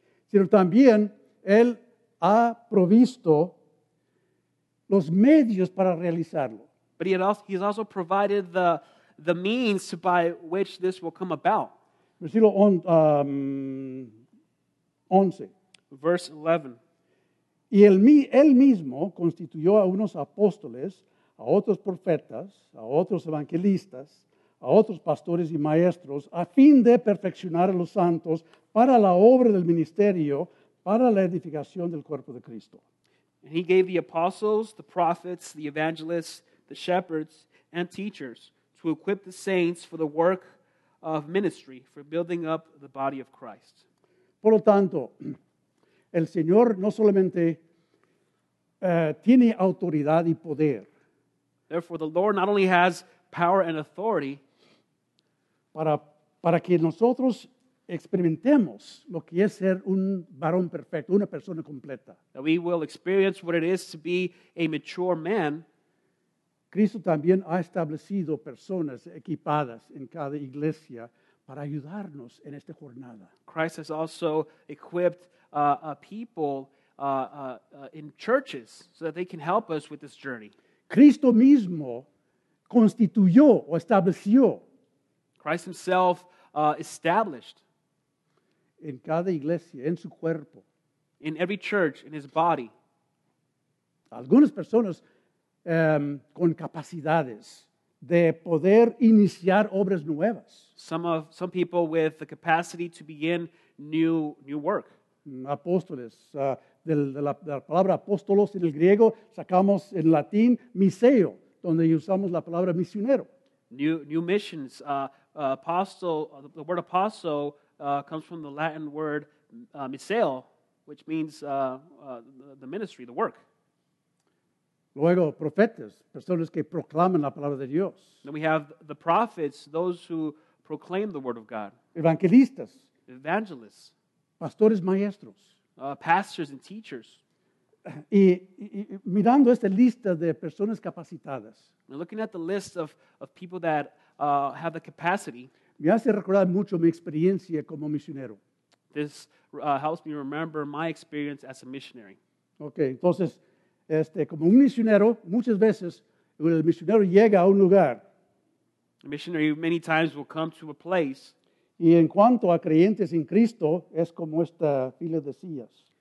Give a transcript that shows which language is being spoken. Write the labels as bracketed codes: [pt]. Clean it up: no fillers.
[es] sino también Él ha provisto los medios para realizarlo. [en] But he's also provided the means by which this will come about. [es] Versículo 11. [en] Verse [es] 11. Y él mismo constituyó a unos apóstoles, a otros profetas, a otros evangelistas, a otros pastores y maestros, a fin de perfeccionar a los santos para la obra del ministerio, para la edificación del cuerpo de Cristo. [en] And he gave the apostles, the prophets, the evangelists, the shepherds, and teachers to equip the saints for the work of ministry, for building up the body of Christ. [es] Por lo tanto, el Señor no solamente tiene autoridad y poder. [en] Therefore, the Lord not only has power and authority [es] para que nosotros experimentemos lo que es ser un varón perfecto, una persona completa. [en] That we will experience what it is to be a mature man. [es] Cristo también ha establecido personas equipadas en cada iglesia para ayudarnos en esta jornada. [en] Christ has also equipped people in churches so that they can help us with this journey. [es] Cristo mismo constituyó o estableció. [en] Christ himself established. [es] En cada iglesia, en su cuerpo. [en] In every church, in his body. [es] Algunas personas con capacidades de poder iniciar obras nuevas. [en] Some people with the capacity to begin new work. [es] Apóstoles. De la palabra apóstolos en el griego, sacamos en latín miseo, donde usamos la palabra misionero. [en] New missions. The word apostle comes from the Latin word miseo, which means the ministry, the work. [es] Luego, profetas, personas que proclaman la palabra de Dios. [en] Then we have the prophets, those who proclaim the word of God. [es] Evangelistas. [en] Evangelists. [es] Pastores maestros. [en] Pastors and teachers. [es] Y mirando esta lista de personas capacitadas. [en] And looking at the list of people that have the capacity. [es] Me hace recordar mucho mi experiencia como misionero. [en] This helps me remember my experience as a missionary. [es] Okay, entonces, como un misionero, muchas veces el misionero llega a un lugar. [en] A missionary many times will come to a place. [es] Y en cuanto a creyentes en Cristo, es como esta fila de sillas.